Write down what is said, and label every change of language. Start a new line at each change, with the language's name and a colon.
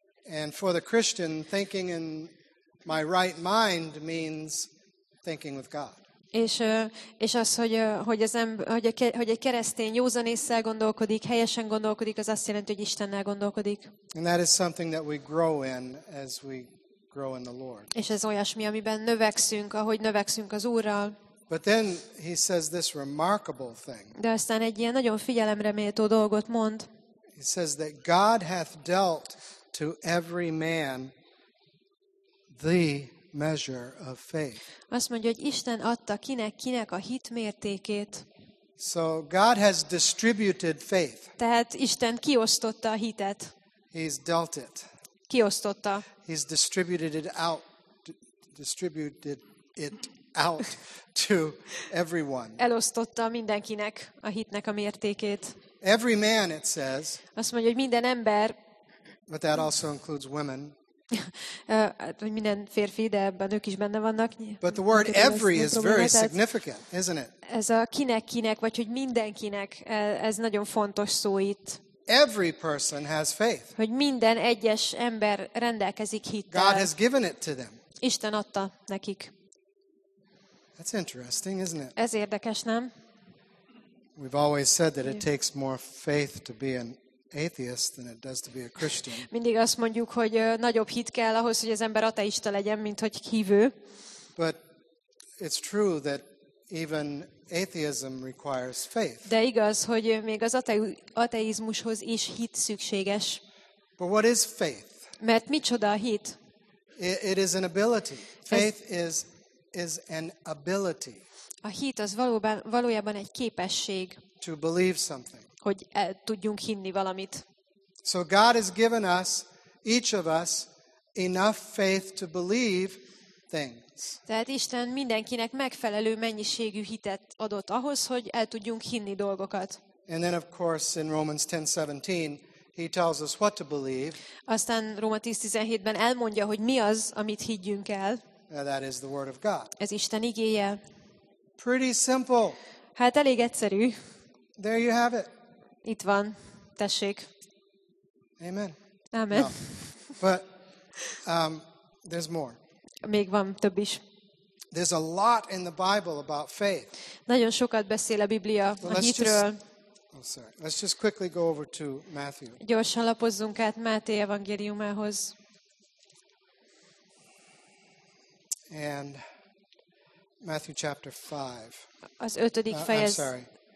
English: And for the Christian, thinking in my right mind means thinking with God.
Hungarian: És az, hogy egy keresztény józan ésszel gondolkodik, helyesen gondolkodik, az azt jelenti, hogy Istennel gondolkodik.
English: And that is something that we grow in as we grow in the Lord.
Hungarian: És ez olyasmi, amiben növekszünk, ahogy növekszünk az Úrral.
English: But then he says this remarkable thing.
Hungarian: De aztán egy ilyen nagyon figyelemre méltó dolgot mond.
English: He says that God hath dealt to every man the measure of faith.
Hungarian: Azt mondja, hogy Isten adta kinek-kinek a hit mértékét.
English: So God has distributed faith.
Hungarian: Tehát Isten kiosztotta a hitet.
English: He's dealt it.
Hungarian: Kiosztotta.
English: He's distributed it out, distributed it out to everyone.
Hungarian: Elosztotta mindenkinek a hitnek a mértékét.
English: Every man, it says.
Hungarian: Azt mondja, hogy minden ember.
English: But that also includes women.
Hungarian: Minden férfi, de ebben ők is benne vannak.
English: But the word every is very significant, isn't it?
Hungarian: Ez a kinek, vagy hogy mindenkinek, ez nagyon fontos szó itt.
English: Every person has faith.
Hungarian: Hogy minden egyes ember rendelkezik hittel.
English: God has given it to them.
Hungarian: Isten adta nekik.
English: That's interesting, isn't it?
Hungarian: Ez érdekes, nem?
English: We've always said that it takes more faith to be an atheist than it does to be a Christian.
Hungarian: Mindig azt mondjuk, hogy nagyobb hit kell ahhoz, hogy az ember ateista legyen, mint hogy hívő.
English: But it's true that even atheism requires faith.
Hungarian: De igaz, hogy még az ateizmushoz is hit szükséges.
English: But what is faith?
Hungarian: Mert micsoda a hit?
English: It is an ability. Faith is an ability.
Hungarian: A hit az valójában egy képesség.
English: To believe something.
Hungarian: Hogy tudjunk hinni valamit.
English: So God has given us, each of us, enough faith to believe things.
Hungarian: Tehát Isten mindenkinek megfelelő mennyiségű hitet adott ahhoz, hogy el tudjunk hinni dolgokat.
English: And then of course in Romans 10:17 he tells us what to believe.
Hungarian: Aztán Róma 10:17-ben elmondja, hogy mi az, amit higgyünk el.
English: Now that is the word of God.
Hungarian: Ez Isten igéje.
English: Pretty simple.
Hungarian: Hát elég egyszerű.
English: There you have it.
Hungarian: Itt van. Tessék.
English: Amen.
Hungarian: Amen. No.
English: But there's more.
Hungarian: Még van több is.
English: There's a lot in the Bible about faith.
Hungarian: Nagyon sokat beszél a Biblia a hitről.
English: Let's just quickly go over to Matthew.
Hungarian: Gyorsan lapozzunk át Máté evangéliumához.
English: And Matthew chapter 5.
Hungarian: Az ötödik fejezet.